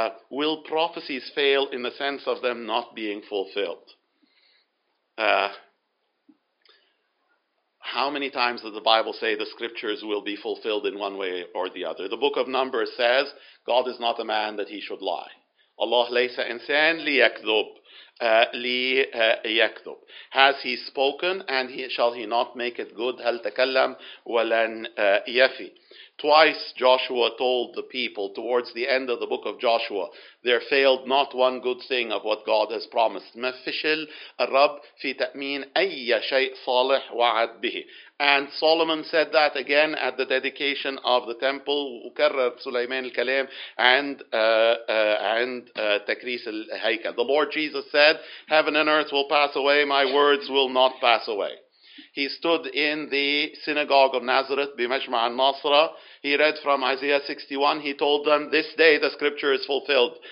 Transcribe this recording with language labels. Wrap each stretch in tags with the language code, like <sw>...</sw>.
<en>Will prophecies fail in the sense of them not being fulfilled? How many times does the Bible say the scriptures will be fulfilled in one way or the other? The book of Numbers says, God is not a man that he should lie.</en> <ar>Allah ليس إنسان ليكذب. ليكذب.</ar> <en>Has he spoken and he, shall he not make it good?</en> <ar>هل تكلم ولن يفي.</ar> <en>Twice Joshua told the people towards the end of the book of Joshua, there failed not one good thing of what God has promised.</en> <ar>ما فشل الرب في تأمين أي شيء صالح وعد به.</ar> <en>And Solomon said that again at the dedication of the temple.</en> <ar>وكرر سليمان الكلام عند تكريس الهيكل.</ar> <en>The Lord Jesus said, heaven and earth will pass away, my words will not pass away. He stood in the synagogue of Nazareth,</en> <ar>بمجمع النصرة.</ar> <en>He read from Isaiah 61. He told them, this day the scripture is fulfilled.</en>